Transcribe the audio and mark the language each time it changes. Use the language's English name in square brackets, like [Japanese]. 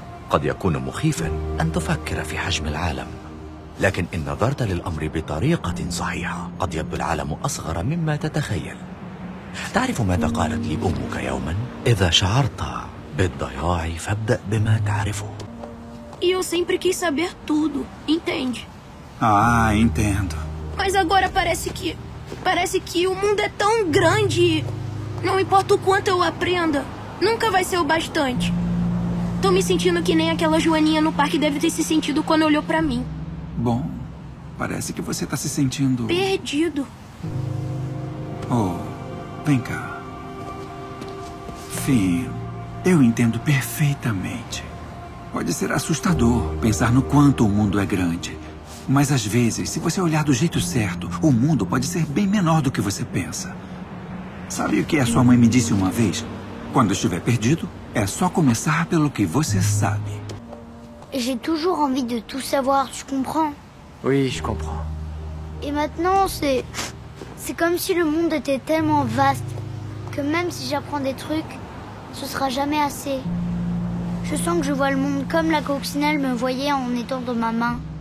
[Arabic] قد يكون مخيفا أن تفكر في حجم العالم، لكن إن نظرت للأمر بطريقة صحيحة قد يبدو العالم أصغر مما تتخيل. تعرف ماذا قالت لي أمك يوما؟ إذا شعرت بالضياع فابدأ بما تعرفه. [Portuguese] Eu sempre quis saber tudo, entende? Ah, entendo. Mas agora parece que o mundo é tão grande. Não importa o quanto eu aprenda, nunca vai ser o bastante. Tô me sentindo que nem aquela Joaninha no parque deve ter se sentido quando olhou pra mim. Bom, parece que você tá se sentindo... perdido. Oh, vem cá. Filho, eu entendo perfeitamente. Pode ser assustador pensar no quanto o mundo é grande. Mas às vezes, se você olhar do jeito certo, o mundo pode ser bem menor do que você pensa. Sabe o que a sua mãe me disse uma vez? Quando estiver perdido, é só começar pelo que você sabe. [French] J'ai toujours envie de tout savoir, tu comprends? Oui, je comprends. Et maintenant, c'est comme si le monde était tellement vaste que même si j'apprends des trucs, ce sera jamais assez. Je sens que je vois le monde comme la coccinelle me voyait en étendant ma main.